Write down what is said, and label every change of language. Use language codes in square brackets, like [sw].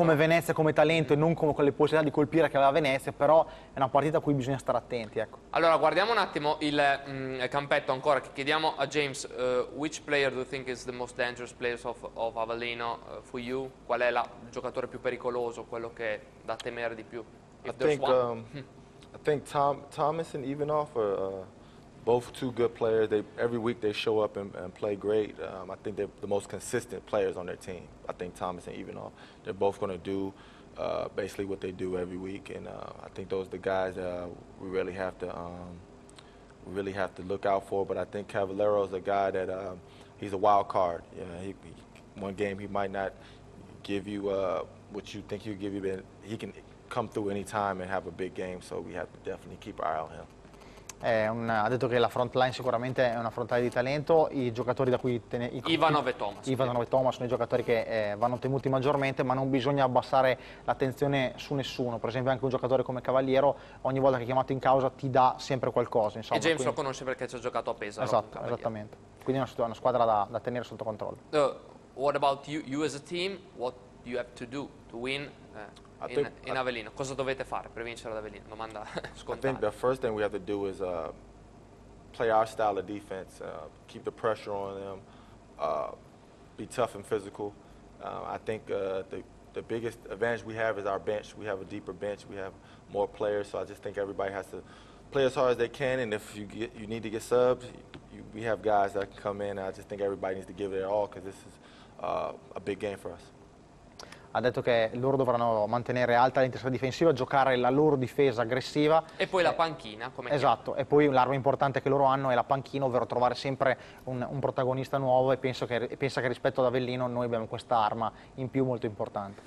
[it] Come Venezia, come talento e non come quelle possibilità di colpire che aveva Venezia, però è una partita a cui bisogna stare attenti, ecco. Allora, guardiamo un attimo il campetto ancora, che chiediamo a James, [en] which player do you think is the most dangerous player of Avellino for you? [it] Qual è il giocatore più pericoloso, quello che da temere di più? [en] I think Thomas and Ivanov are both two good players. Every week they show up and play great. I think they're the most consistent players on their team. I think Thomas and Ivanov, they're both going to do basically what they do every week. And I think those are the guys that we really have to look out for. But I think Cavaliero is a guy that he's a wild card. You know, he one game he might not give you what you think he'll give you, but he can come through any time and have a big game. So we have to definitely keep our eye on him. [it] Ha detto che la front line sicuramente è una front line di talento, i giocatori da cui Ivanov e Thomas sono i giocatori che vanno temuti maggiormente, ma non bisogna abbassare l'attenzione su nessuno. Per esempio anche un giocatore come Cavaliero, ogni volta che è chiamato in causa ti dà sempre qualcosa, insomma. E James, quindi, lo conosce perché ci ha giocato a Pesaro. Esatto, esattamente, quindi è una squadra da tenere sotto controllo. [en] What about you as a team, what do you have to do to win in Avellino? [it] Cosa dovete fare per vincere ad Avellino? Domanda scontata. [en] I think the first thing we have to do is play our style of defense, keep the pressure on them, be tough and physical. I think the biggest advantage we have is our bench. We have a deeper bench. We have more players, so I just think everybody has to play as hard as they can, and if you need to get subs, we have guys that can come in. I just think everybody needs to give it their all, because this is a big game for us. [it] Ha detto che loro dovranno mantenere alta l'intensità difensiva, giocare la loro difesa aggressiva. E poi la panchina. Come esatto, chiama. E poi l'arma importante che loro hanno è la panchina, ovvero trovare sempre un protagonista nuovo, e pensa che rispetto ad Avellino noi abbiamo questa arma in più molto importante.